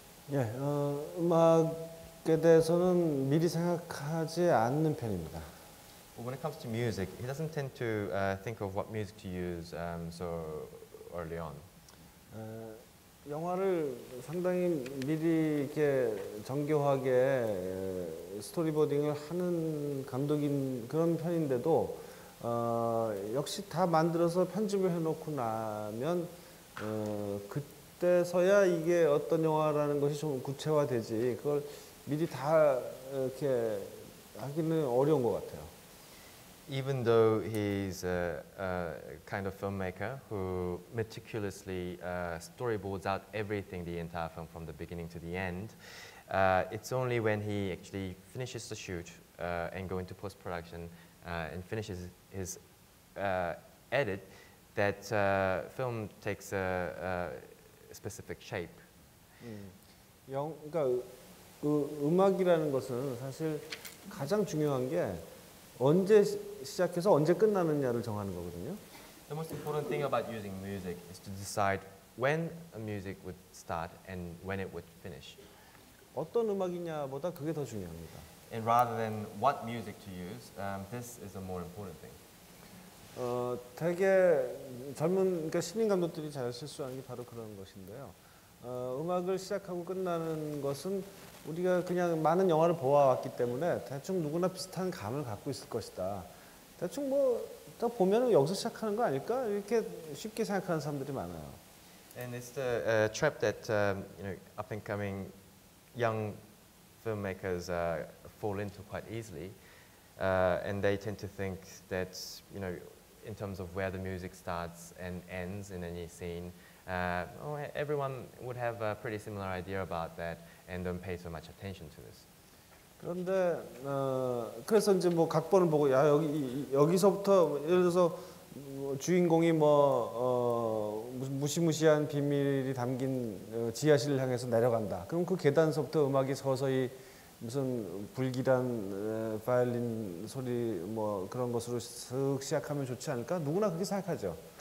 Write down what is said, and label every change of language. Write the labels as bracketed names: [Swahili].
[Korean] Yeah, 음악에 대해서는 미리 생각하지 않는 편입니다. [English] When it comes to music, he doesn't tend to think of what music to use so early on. [Korean] 영화를 상당히 미리 이렇게 정교하게 스토리보딩을 하는 감독인 그런 편인데도 역시 다 만들어서 편집을 해놓고 나면 그때서야 이게 어떤 영화라는 것이 좀 구체화되지 그걸 미리 다 이렇게 하기는 어려운 것 같아요. [English] Even though he's a kind of filmmaker who meticulously storyboards out everything, the entire film from the beginning to the end, it's only when he actually finishes the shoot and go into post-production and finishes his edit that film takes a specific shape. [Korean] 그러니까 음악이라는 것은 사실 가장 중요한 게 언제 시작해서 언제 끝나느냐를 정하는 거거든요. [English] The most important thing about using music is to decide when a music would start and when it would finish. [Korean] 어떤 음악이냐보다 그게 더 중요합니다. [English] And rather than what music to use, this is a more important thing. [Korean] 되게 젊은 그러니까 신인 감독들이 잘 실수하는 게 바로 그런 것인데요. 음악을 시작하고 끝나는 것은 우리가 그냥 많은 영화를 보아왔기 때문에 대충 누구나 비슷한 감을 갖고 있을 것이다. 대충 뭐 딱 보면은 여기서 시작하는 거 아닐까? 이렇게 쉽게 생각하는 사람들이 많아요. [English] And it's the trap that you know up and coming young filmmakers fall into quite easily. And they tend to think that you know in terms of where the music starts and ends in any scene everyone would have a pretty similar idea about that and don't pay so much attention to this. [Korean] 그런데 그래서 이제 뭐 각본을 보고 야 여기 여기서부터 예를 들어서 주인공이 뭐 무슨 무시무시한 비밀이 담긴 지하실을 향해서 내려간다. 그럼 그 계단서부터 음악이 서서히 무슨 불길한 바이올린 소리 뭐 그런 것으로 슥 시작하면 좋지 않을까? 누구나 그렇게 생각하죠.